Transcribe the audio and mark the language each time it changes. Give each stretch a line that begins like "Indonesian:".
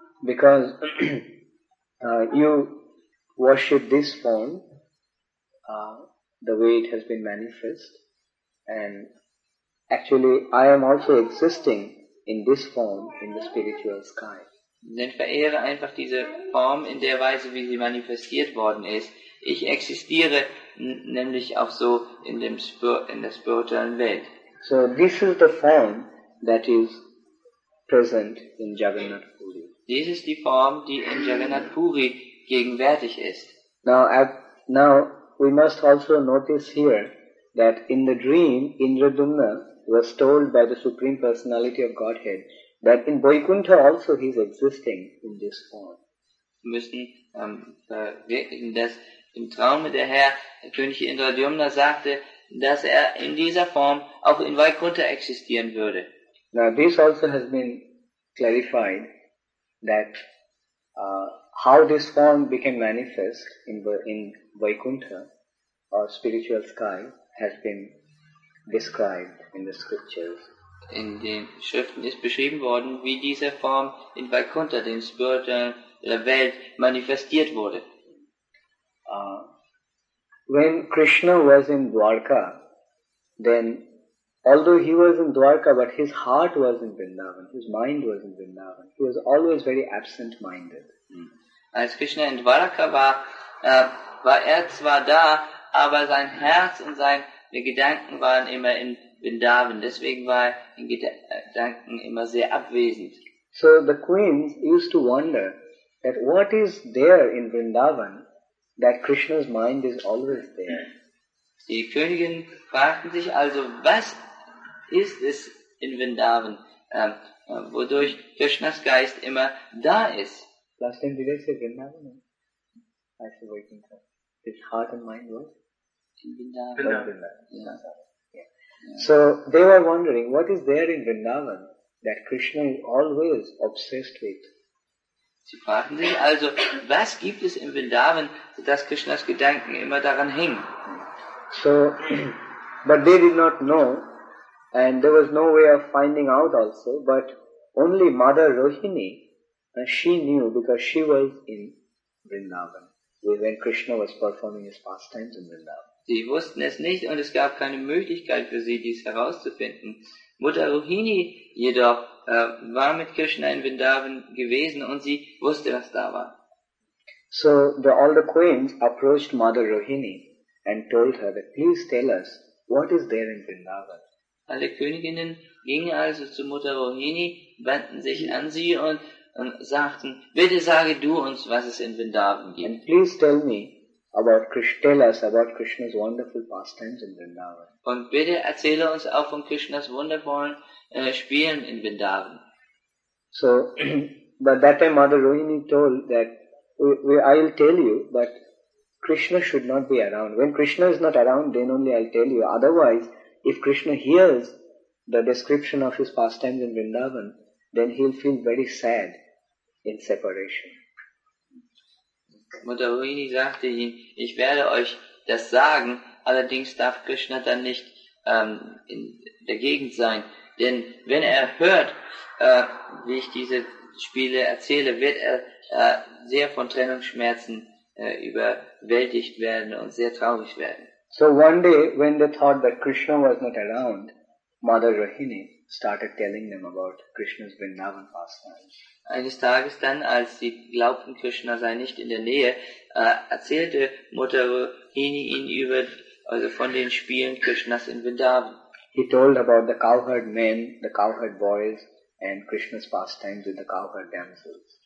English: Because you worship this form, the way it has been manifest, and actually I am also existing in this form in the spiritual sky.
German: Denn verehre einfach diese Form in der Weise, wie sie manifestiert worden ist. Ich existiere nämlich auch so in dem in der spirituellen Welt.
English: So this is the form that is present in Jagannath Puri.
German: Dies ist die Form, die in Jagannath Puri gegenwärtig ist.
English: Now we must also notice here that in the dream Indradumna was told by the Supreme Personality of Godhead that in Vaikuntha also he is existing in this form.
German: Wir müssen verwirklichen, dass im Traum der Herr, der König Indradumna, sagte, dass er in dieser Form auch in Vaikuntha existieren würde.
English: Now this also has been clarified, that how this form became manifest in Vaikuntha or spiritual sky has been described in the scriptures.
German: In den Schriften ist beschrieben worden, wie diese Form in Vaikuntha, den spirituellen Welt, manifestiert wurde.
English: When Krishna was in Dwarka, then although he was in Dwarka, but his heart was in Vrindavan, his mind was in Vrindavan. He was always very absent-minded.
German: Als Krishna in Dwarka war, war er zwar da, aber sein Herz und seine Gedanken waren immer in Vrindavan. Deswegen war er in Gedanken immer sehr abwesend.
English: So the queens used to wonder that what is there in Vrindavan that Krishna's mind is always there.
German: Die Königin fragten sich also, was ist es in Vrindavan, wodurch Krishnas Geist immer da ist?
English: Last time did I say Vrindavan? I said Vaikuntha. His heart and mind was? In Vrindavan. So they were wondering, what is there in Vrindavan that Krishna is always obsessed with?
German: Sie fragten sich also, was gibt es in Vrindavan, sodass Krishnas Gedanken immer daran hängen?
English: So, but they did not know, and there was no way of finding out also, but only Mother Rohini, she knew, because she was in Vrindavan, when Krishna was performing his pastimes in Vrindavan.
German: Sie wussten es nicht und es gab keine Möglichkeit für sie, dies herauszufinden. Mutter Rohini jedoch war mit Krishna in Vrindavan gewesen und sie wusste, was da war.
English: So the older queens approached Mother Rohini and told her that please tell us what is there in Vrindavan.
German: Alle Königinnen gingen also zu Mutter Rohini, wandten sich an sie und sagten, bitte sage du uns, was es in Vrindavan gibt.
English: And please tell me about Krishna, tell us about Krishna's wonderful pastimes in Vrindavan.
German: Und bitte erzähle uns auch von Krishnas wundervollen Spielen in Vrindavan.
English: So, by that time Mother Rohini told that, I'll tell you that Krishna should not be around. When Krishna is not around, then only I'll tell you. Otherwise, if Krishna hears the description of his pastimes in Vrindavan, then he'll feel very sad in separation.
German: Mutter Rohini sagte ihm, ich werde euch das sagen, allerdings darf Krishna dann nicht in der Gegend sein, denn wenn er hört, wie ich diese Spiele erzähle, wird er sehr von Trennungsschmerzen überwältigt werden und sehr traurig werden.
English: So one day, when they thought that Krishna was not around, Mother Rohini started telling them about Krishna's Vrindavan pastimes.
German: Eines Tages dann, als sie glaubten, Krishna sei nicht in der Nähe, erzählte Mutter Rohini ihnen über, also von den Spielen Krishnas in Vrindavan.
English: He told about the cowherd men, the cowherd boys, and Krishna's pastimes with the cowherd damsels.